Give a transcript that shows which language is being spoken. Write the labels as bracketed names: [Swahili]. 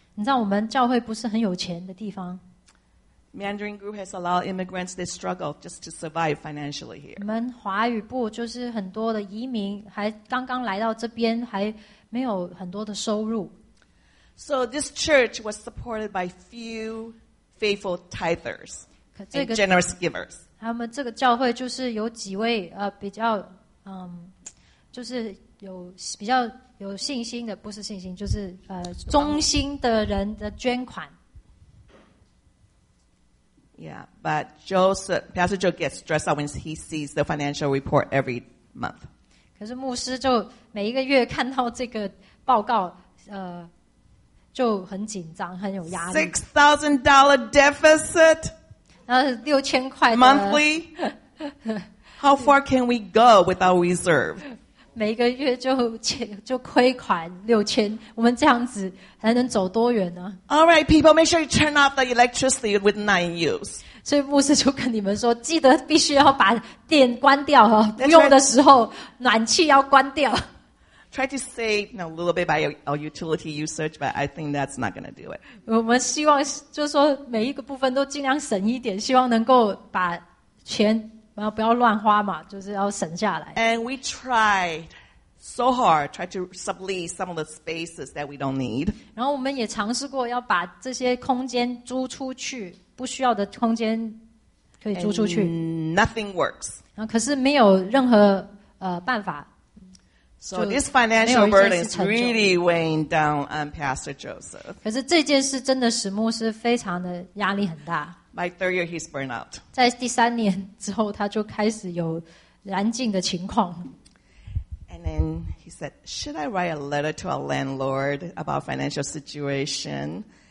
[Chinese] 你知道我们教会不是很有钱的地方。 [English] Mandarin group has a lot of immigrants that struggle just to survive financially here. [Chinese] 我们华语部就是很多的移民，还刚刚来到这边，还没有很多的收入。 [English] So this church was supported by few faithful tithers and generous givers. [Chinese] 他们这个教会就是有几位比较就是有比较有信心的，不是信心，就是忠心的人的捐款。 [English] Yeah, but Pastor Joe gets stressed out when he sees the financial report every month. [Chinese] 可是牧师就每一个月看到这个报告就很紧张，很有压力。 [English] $6,000 deficit. [Chinese] 6,000块 [English] monthly. How far can we go without reserve? [Chinese] 每个月就亏款6,000，我们这样子还能走多远呢 [English] ？All right, people, make sure you turn off the electricity with nine use. [Chinese] 所以牧师就跟你们说，记得必须要把电关掉哈，用的时候暖气要关掉。 [English] try to save you know, a little bit by our utility usage, but I think that's not going to do it. [Chinese] 我们希望就是说每一个部分都尽量省一点，希望能够把钱不要乱花嘛，就是要省下来。 [English] And we tried so hard, tried to sublease some of the spaces that we don't need. [Chinese] 然后我们也尝试过要把这些空间租出去，不需要的空间可以租出去。 [English] And nothing works. [Chinese] 然后可是没有任何办法。 [English] So this financial burden is really weighing down on Pastor Joseph. [Chinese] 可是这件事真的使牧师非常的压力很大。 [English] By third year, he's burned out. [Chinese] 在第三年之后，他就开始有燃尽的情况。 [English] And then he said, "Should I write a letter to our landlord about financial situation?